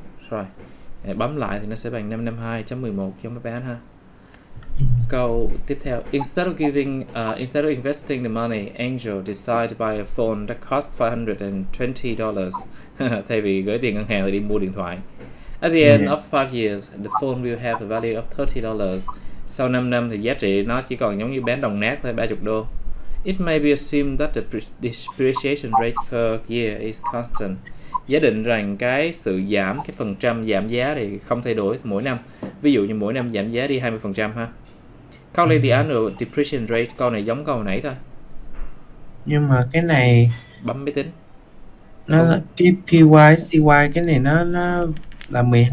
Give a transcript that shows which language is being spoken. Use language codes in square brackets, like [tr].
[vi] Rồi, bấm lại thì nó sẽ bằng 552.11 giống đáp án ha. Câu tiếp theo. [en] Instead of investing the money, Angel decided to buy a phone that cost $520. [vi] Thay vì gửi tiền ngân hàng thì đi mua điện thoại. [en] At the end of 5 years, the phone will have a value of $30. [vi] Sau 5 năm thì giá trị nó chỉ còn giống như bán đồng nát thôi, 30 đô. [en] It may be assumed that the depreciation rate per year is constant. [vi] Giả định rằng cái sự giảm, cái phần trăm giảm giá thì không thay đổi mỗi năm. Ví dụ như mỗi năm giảm giá đi 20% ha. [en] Calculate the annual depreciation rate. [vi] Câu này giống câu nãy thôi. Nhưng mà cái này Bấm máy tính. Nó nó không. là cái PY CY cái này nó là 12